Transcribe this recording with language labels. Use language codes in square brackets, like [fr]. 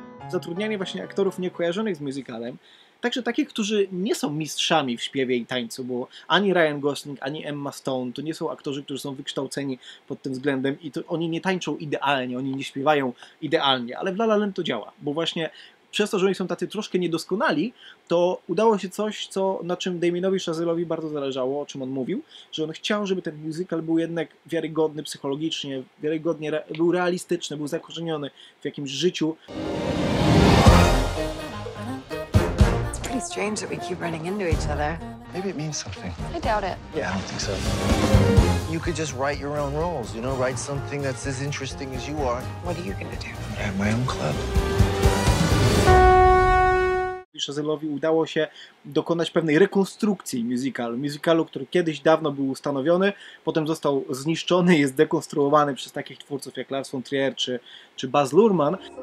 [pl] Zatrudnianie właśnie aktorów niekojarzonych z musicalem, także takich, którzy nie są mistrzami w śpiewie i tańcu, bo ani Ryan Gosling, ani Emma Stone to nie są aktorzy, którzy są wykształceni pod tym względem i to oni nie tańczą idealnie, oni nie śpiewają idealnie, ale w La La Land to działa, bo właśnie przez to, że oni są tacy troszkę niedoskonali, to udało się coś, co na czym Damienowi Chazelle'owi bardzo zależało, o czym on mówił, że on chciał, żeby ten musical był jednak wiarygodny psychologicznie, wiarygodnie, był realistyczny, był zakorzeniony w jakimś życiu. [en] Strange that we keep running into each other. Maybe it means something. I doubt it. Yeah, I don't think so. You could just write your own roles, you know, write something that's as interesting as you are. What are you gonna do? I'm gonna have my own club. [pl] Chazelle'owi udało się dokonać pewnej rekonstrukcji musicalu. Musicalu, który kiedyś dawno był ustanowiony, potem został zniszczony, jest dekonstruowany przez takich twórców jak Lars von Trier czy Baz Luhrmann.